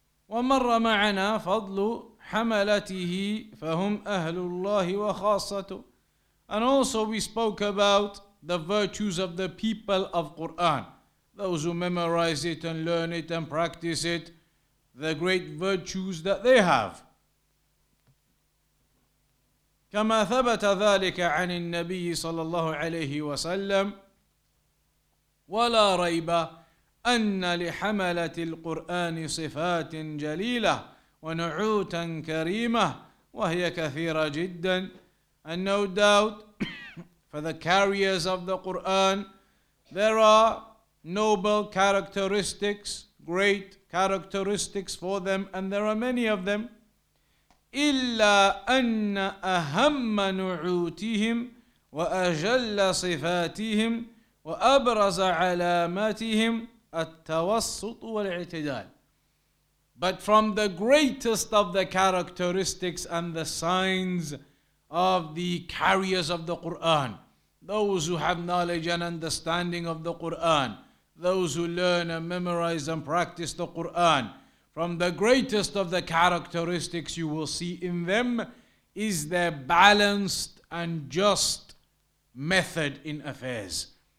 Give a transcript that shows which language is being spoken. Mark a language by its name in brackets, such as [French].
[Arabic] وَمَرَّ مَعَنَا فَضْلُ حَمَلَتِهِ فَهُمْ أَهْلُ اللَّهِ وَخَاصَّتُ. [English] And also we spoke about the virtues of the people of Qur'an, those who memorize it and learn it and practice it, the great virtues that they have. [Arabic] كما ثبت ذلك عن النبي صلى الله عليه وسلم ولا ريب أن لحملة القرآن صفات جليلة ونعوتا كريمة وهي كثيرة جدا. [English] And no doubt for the carriers of the Quran there are noble characteristics, great characteristics for them, and there are many of them. [Arabic] إلا أن أهم نعوتهم وأجل صفاتهم وأبرز علاماتهم التوسط والاعتدال. [English] But from the greatest of the characteristics and the signs of the carriers of the Quran, those who have knowledge and understanding of the Quran, those who learn and memorize and practice the Quran, from the greatest of the characteristics you will see in them is their balanced and just method in affairs.